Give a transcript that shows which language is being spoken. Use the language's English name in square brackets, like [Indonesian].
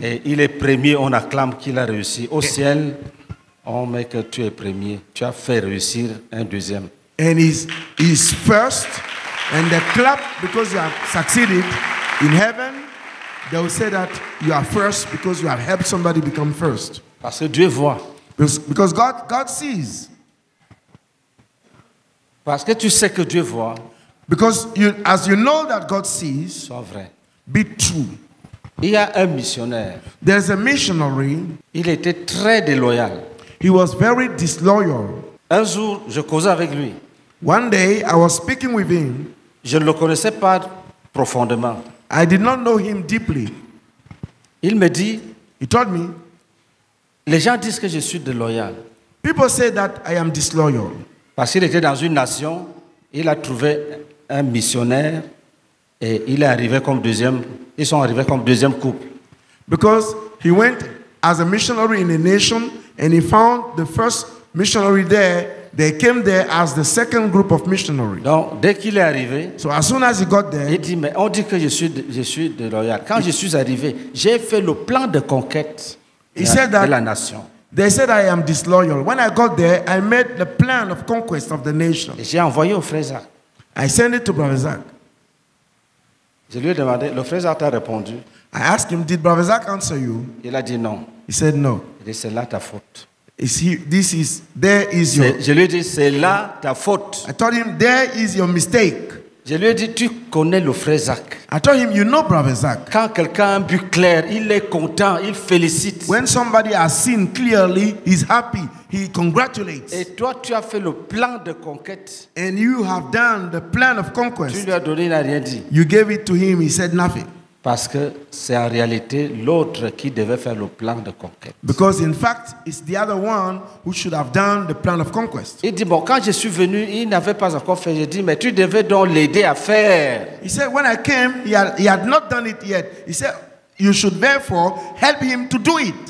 [French] Et il est premier, on acclame qu'il a réussi. Au ciel, on met que tu es premier. Tu as fait réussir un deuxième. [English] And he's first, and they clap because you have succeeded. In heaven, they will say that you are first because you have helped somebody become first. [French] Parce que Dieu voit. [English] Because God sees. [French] Parce que tu sais que Dieu voit. [English] Because you, as you know that God sees. [French] Sois vrai. [English] Be true. [French] Il y a un missionnaire. [English] There's a missionary. [French] Il était très déloyal. [English] He was very disloyal. [French] Un jour, je causais avec lui. [English] One day, I was speaking with him. [French] Je ne le connaissais pas profondément. [English] I did not know him deeply. [French] Il me dit. [English] He told me. [French] Les gens disent que je suis déloyal. [English] People say that I am disloyal. [French] Parce qu'il était dans une nation, il a trouvé un missionnaire. Et il est arrivé comme deuxième. Ils sont arrivés comme deuxième couple. [English] Because he went as a missionary in a nation and he found the first missionary there. They came there as the second group of missionaries. [French] Donc dès qu'il est arrivé, [English] so as soon as he got there, [French] il dit mais on dit que je suis de loyal. Quand je suis arrivé, j'ai fait le plan de conquête de la nation. [English] They said I am disloyal. When I got there, I made the plan of conquest of the nation. [French] Et j'ai envoyé au frère Zach. [English] I sent it to Brother Zach. [French] Je lui ai demandé, le frère Zach t'a répondu. [English] I asked him, did Brother Zach answer you? [French] Il a dit non. [English] He said no. [French] Il dit, c'est là ta faute. Je lui ai dit, c'est là ta faute. [English] I told him, there is your mistake. [French] Je lui ai dit, tu connais le frère Zach. [English] I told him, you know Brother Zach. [French] Quand quelqu'un a un but clair, il est content, il félicite. [English] When somebody has seen clearly, he's happy, he congratulates. [French] Et toi, tu as fait le plan de conquête. [English] And you have done the plan of conquest. [French] Tu lui as donné, il n'a rien dit. [English] You gave it to him, he said nothing. [French] Parce que c'est en réalité l'autre qui devait faire le plan de conquête. [English] Because in fact, it's the other one who should have done the plan of conquest. [French] Il dit, bon, quand je suis venu, il n'avait pas encore fait. Je dis, mais tu devais donc l'aider à faire. [English] He said, when I came, he had not done it yet. He said, you should therefore help him to do it.